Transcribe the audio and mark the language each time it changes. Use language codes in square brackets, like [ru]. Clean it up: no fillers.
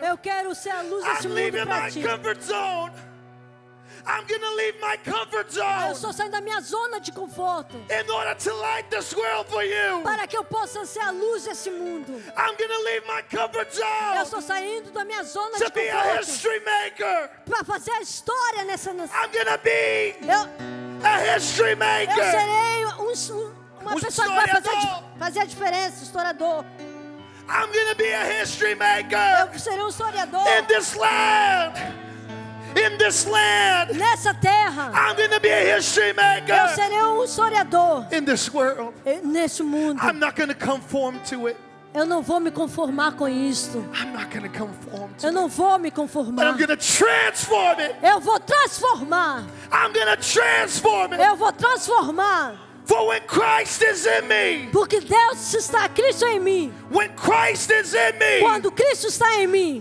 [pt] Eu quero ser a luz deste mundo para ti. [en] I'm leaving my comfort zone. I'm going to leave my comfort zone. [pt] Eu estou saindo da minha zona de conforto. [en] In order to light this world for you. [pt] Para que eu possa ser a luz desse mundo. [en] I'm going to leave my comfort zone. [pt] Eu estou saindo da minha zona [en] to [pt] de conforto. [en] To be a history maker. [pt] Para fazer a história nessa nação. [en] I'm going to be a history maker. [pt] Eu serei uma pessoa que vai fazer a diferença, historiador. [en] I'm going to be a history maker. [pt] Eu serei historiador. [en] In this land. In this land, [pt] nessa terra, [en] I'm going to be a history maker. [pt] Eu serei historiador. [en] In this world, [pt] nesse mundo, [en] I'm not going to conform to it. [pt] Eu não vou me conformar com isto. [en] I'm not going to conform to [pt] eu não vou me conformar. [en] But I'm going to transform it. [pt] Eu vou transformar. [en] I'm going to transform it. [pt] Eu vou transformar. [en] For when Christ is in me, [pt] porque Deus está Cristo em mim. [en] When Christ is in me, [pt] quando Cristo está em mim.